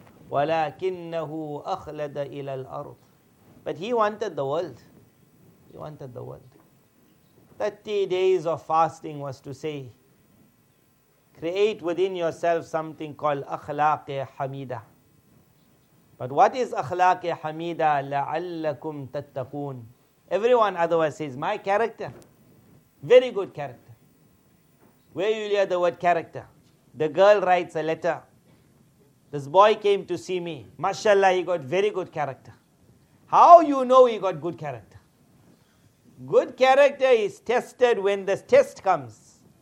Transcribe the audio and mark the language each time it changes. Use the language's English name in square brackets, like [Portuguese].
[Arabic] وَلَكِنَّهُ أَخْلَدَ إِلَى الْأَرْضِ. [English] But he wanted the world. He wanted the world. 30 days of fasting was to say, create within yourself something called أَخْلَاقِ حَمِيدَ. But what is [Arabic] أَخْلَاقِ حَمِيدَ لَعَلَّكُمْ تَتَّقُونَ. [English] Everyone otherwise says, my character. Very good character. Where you hear the word character? The girl writes a letter. This boy came to see me. Mashallah, he got very good character. How you know he got good character? Good character is tested when the test comes.